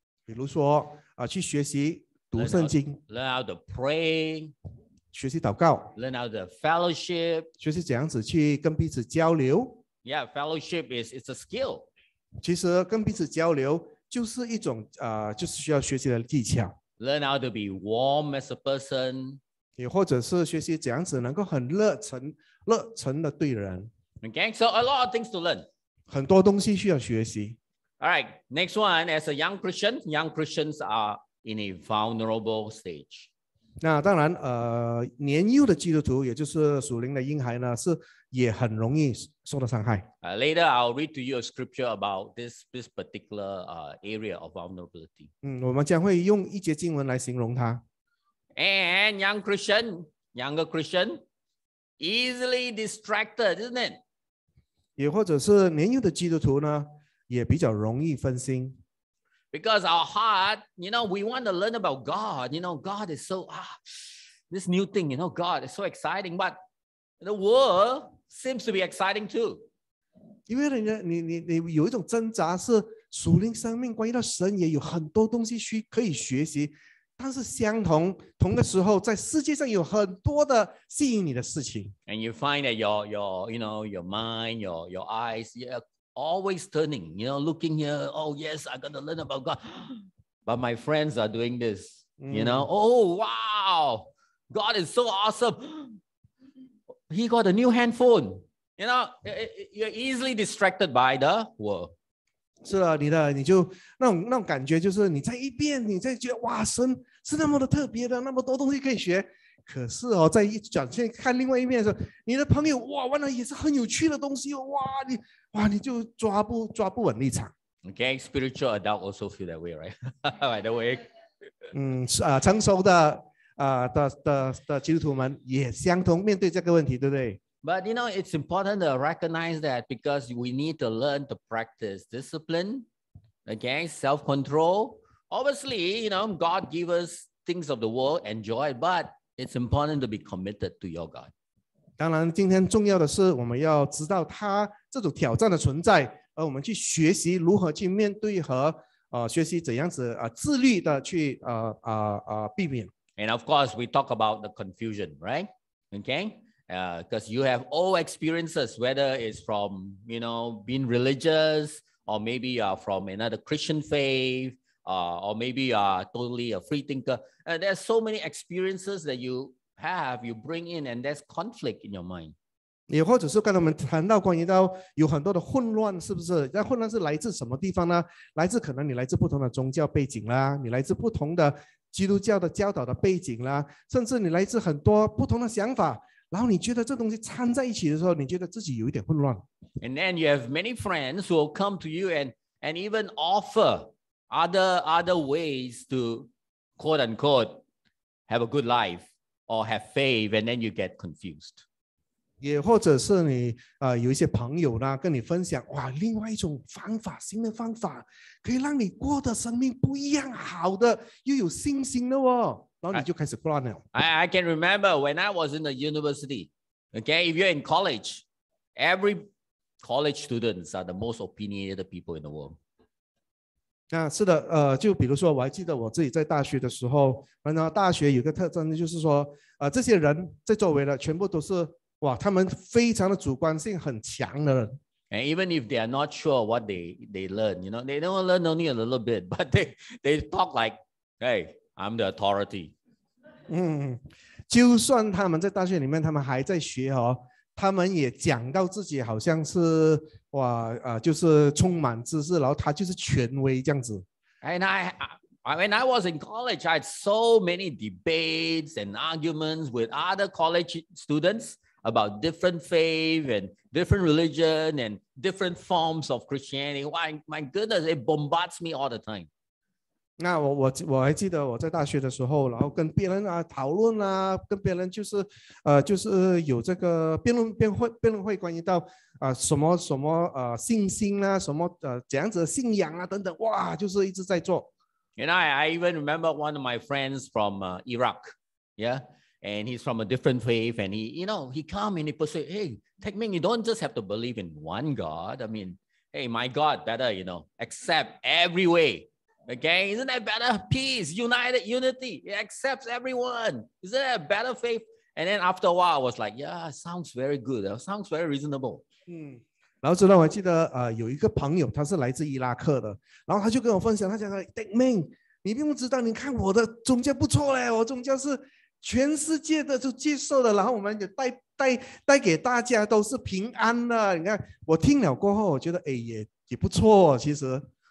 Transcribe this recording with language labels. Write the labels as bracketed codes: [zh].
[zh] 比如说啊、去学习读圣经 [en] ，learn how to pray， [zh] 学习祷告 [en] ，learn how to fellowship， [zh] 学习怎样子去跟彼此交流 [en] ，yeah， fellowship is a skill， [zh] 其实跟彼此交流。就是一种、就是需要学习的技巧 [en] Learn how to be warm as a person [zh] 也或者是学习怎样子能够很热忱的对人 [en] Okay, so a lot of things to learn [zh] 很多东西需要学习 [en] Alright, next one, as a young Christian Young Christians are in a vulnerable stage [zh] 那当然、年幼的基督徒也就是属灵的婴孩呢是也很容易受到伤害。 [en] Later, I'll read to you a scripture about this particular area of vulnerability. [zh] 嗯，我们将会用一节经文来形容它。 [en] And young Christian, younger Christian, easily distracted, isn't it? [zh] 也或者是年幼的基督徒呢，也比较容易分心。 [en] Because our heart, you know, we want to learn about God. You know, God is so this new thing. You know, God is so exciting, but the world seems to be exciting too. [zh] 因为你有一种挣扎是属灵生命关于到神也有很多东西可以学习，但是同的时候在世界上有很多的吸引你的事情。 [en] And you find that your mind, your eyes, you're always turning, you know, looking here. Oh yes, I'm gonna learn about God. But my friends are doing this, you know. Oh wow, God is so awesome. He got a new handphone. You know, you're easily distracted by the world. [zh] 是的，你就那种感觉，就是你在一边，你在觉得哇，神是那么的特别的，那么多东西可以学。可是哦，在一转现看另外一面的时候，你的朋友哇，完了也是很有趣的东西哦，你就抓不稳立场。 [en] Okay, spiritual adult also feel that way, right? By the way, [zh] 成熟的。的基督徒们也相同面对这个问题，对不对 [en] ？But you know, it's important to recognize that because we need to learn to practice discipline, okay, self-control. Obviously, you know, God gives us things of the world and joy, but it's important to be committed to your God. [zh] 当然，今天重要的是我们要知道他这种挑战的存在，而我们去学习如何去面对和学习怎样子自律的去避免。 [en] And of course, we talk about the confusion, right? Okay, because you have old experiences, whether it's from, you know, being religious, or maybe you are from another Christian faith, or maybe you are totally a free thinker. There's so many experiences that you have, you bring in, and there's conflict in your mind. [zh] 也或者是刚才我们谈到关于到有很多的混乱，是不是？那混乱是来自什么地方呢？来自可能你来自不同的宗教背景啦，你来自不同的。基督教的教导的背景啦，甚至你来自很多不同的想法，然后你觉得这东西掺在一起的时候，你觉得自己有一点混乱。 [en] And then you have many friends who will come to you and even offer other ways to quote unquote have a good life or have faith, and then you get confused. [zh] 也或者是你、有一些朋友呢跟你分享，哇，另外一种方法，新的方法。可以让你过的生命不一样，好的又有信心的哦，然后你就开始乱了。 [en] I can remember when I was in the university. Okay, if you're in college, every college students are the most opinionated people in the world. [zh] 啊，是的，就比如说我还记得我自己在大学的时候，然后大学有个特征就是说，这些人在周围的全部都是哇，他们非常的主观性很强的人。 [en] And even if they are not sure what they learn, you know, they don't learn only a little bit, but they talk like, hey, I'm the authority. [zh] 嗯，就算他们在大学里面，他们还在学哦，他们也讲到自己好像是哇，就是充满知识，然后他就是权威这样子。 [en] And when I was in college, I had so many debates and arguments with other college students about different faith and different religion and different forms of Christianity. Why, my goodness, it bombards me all the time. [zh] 那我还记得我在大学的时候，然后跟别人啊讨论啊，跟别人就是有这个辩论会关于到什么信心啊，什么怎样子的信仰啊等等，哇，就是一直在做。 [en] And I even remember one of my friends from Iraq, yeah, and he's from a different faith, and he come and he put say, hey, Taekmin, you don't just have to believe in one God. I mean, hey, my God, better accept every way. Okay, isn't that better? Peace, united, unity. It accepts everyone. Isn't that a better faith? And then after a while, I was like, yeah, sounds very good. Sounds very reasonable. [zh] 然后之后我还记得有一个朋友，他是来自伊拉克的。然后他就跟我分享，他讲说 ，Dickman， 你并不知道，你看我的宗教不错嘞，我宗教是全世界的都接受的，然后我们也带给大家都是平安的。你看，我听了过后，我觉得也不错，其实。